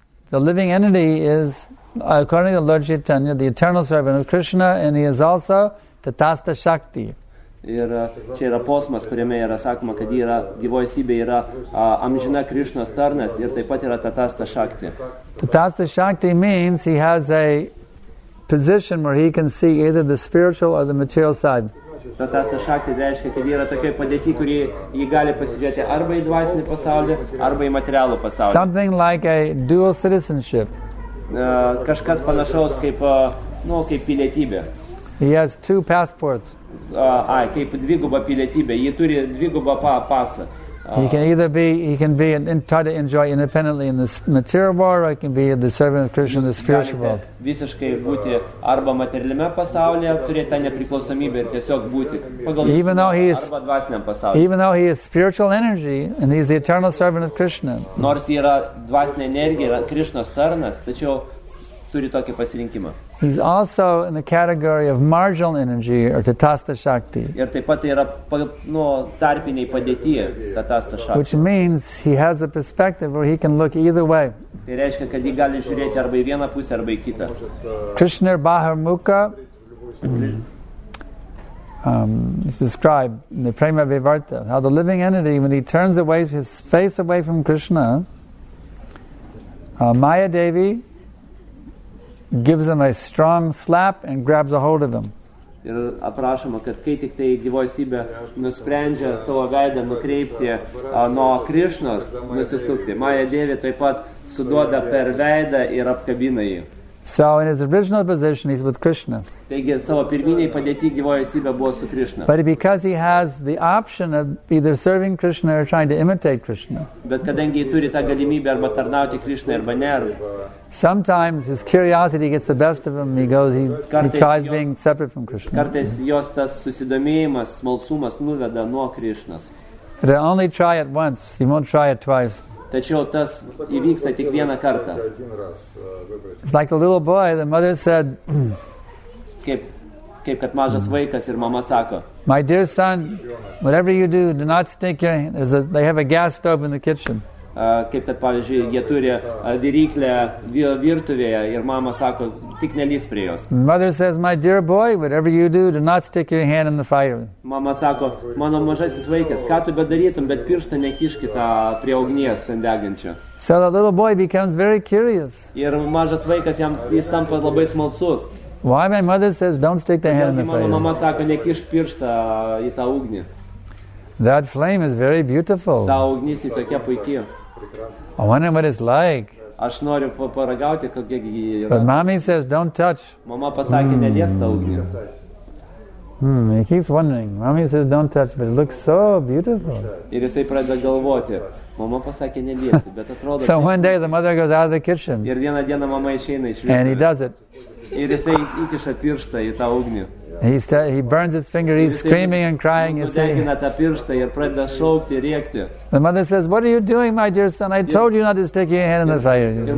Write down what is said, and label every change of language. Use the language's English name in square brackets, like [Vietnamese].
[English] The living entity is, according to Lord Chaitanya, the eternal servant of Krishna, and he is also Tatasta Shakti. [Lithuanian] Ir čia yra posmas, kuriame yra sakoma, kad yra gyvoji esybė yra amžina Krišnos tarnas ir taip pat yra Tatasta Shakti. [English] Tatasta Shakti means he has a position where he can see either the spiritual or the material side. [Lithuanian] Tatasta Shakti reiškia, kad yra tokia padėti, kurį jį gali pasižiūrėti arba į dvasinį pasaulį, arba į materialų pasaulį. [English] Something like a dual citizenship. [Lithuanian] Kažkas panašaus kaip, kaip pilietybė. He has two passports. Kaip dviguba pilietybė. Jį turi dviguba pasą. [English] He can be and try to enjoy independently in this material world, or he can be the servant of Krishna in the spiritual world. [Lithuanian] Visiškai būti arba materialiame pasaulyje, turėti tą nepriklausomybę ir tiesiog būti pagal arba dvasiniam pasaulyje. [English] Even though he is spiritual energy and he is the eternal servant of Krishna. [Lithuanian] Nors jis yra dvasinė energija, yra Krishnos tarnas, tačiau turi tokį pasirinkimą. [English] He's also in the category of marginal energy or Tatasta Shakti. [Lithuanian] Ir taip pat yra tarpiniai padėti Tatasta Shakti. [English] Which means he has a perspective where he can look either way. [Lithuanian] Tai reiškia, kad jį gali žiūrėti arba į vieną pusę, arba į kitą. [English] Krishna Bahirmukha is described in the Prema Vivarta, how the living entity, when he turns away his face away from Krishna, Maya Devi gives him a strong slap and grabs a hold of him. [Lithuanian] Ir aprašoma, kad kai tik tai gyvoji esybė nusprendžia savo veidą nukreipti nuo Krišnos, nusisukti, Maya Devi taip pat suduoda per veidą ir apkabina jį. [English] So in his original position, he's with Krishna. [Lithuanian] Taigi, savo pirminiai padėti gyvoji esybė buvo su Krishna. [English] But because he has the option of either serving Krishna or trying to imitate Krishna. [Lithuanian] Bet kadangi jis turi tą galimybę arba tarnauti Krishna arba ne. [English] Sometimes his curiosity gets the best of him. He tries being separate from Krishna. [Lithuanian] Kartais jos tas susidomėjimas, smalsumas nuveda nuo Krishnas. [English] But he only try it once. He won't try it twice. [Lithuanian] Tačiau tas įvyksta tik vieną kartą. [English] It's like a little boy, the mother said, [Lithuanian] kaip kad mažas vaikas ir mama sako, [English] my dear son, whatever you do, do not stick your, they have a gas stove in the kitchen. [Lithuanian] Kaip kad, pavyzdžiui, jie turi viryklę virtuvėje ir mama sako, tik nelįs prie jos. [English] Mother says, my dear boy, whatever you do, do not stick your hand in the fire. [Lithuanian] Mama sako, mano mažasis vaikas, ką tu bedarytum, bet pirštą nekišk tą prie ugnies ten degančio. [English] So the little boy becomes very curious. [Lithuanian] Ir mažas vaikas jam, jis tampa labai smalsus. [English] Why my mother says don't stick the hand in the fire? [Lithuanian] Mama sako nekišk pirštą į tą ugnį. [English] That flame is very beautiful. [Lithuanian] Ta ugnis yra tokia puiki. [English] I wonder what it's like. [Lithuanian] Aš noriu paragauti, kokia gi yra. [English] But mommy says don't touch. [Lithuanian] Mama pasakė neliesk tą ugnį. [English] He keeps wondering. Mommy says don't touch, but it looks so beautiful. [Lithuanian] Ir jisai pradeda galvoti. Mama pasakė neliesti, bet atrodo. [English] So one day the mother goes out of the kitchen. [Lithuanian] Ir vieną dieną mama išeina iš [English] virtuvės. And he does it. [Lithuanian] Ir jisai įkiša pirštą į tą ugnį. [English] He burns his finger, he's screaming and crying. The mother says, what are you doing, my dear son? I told you not to stick your hand in the fire.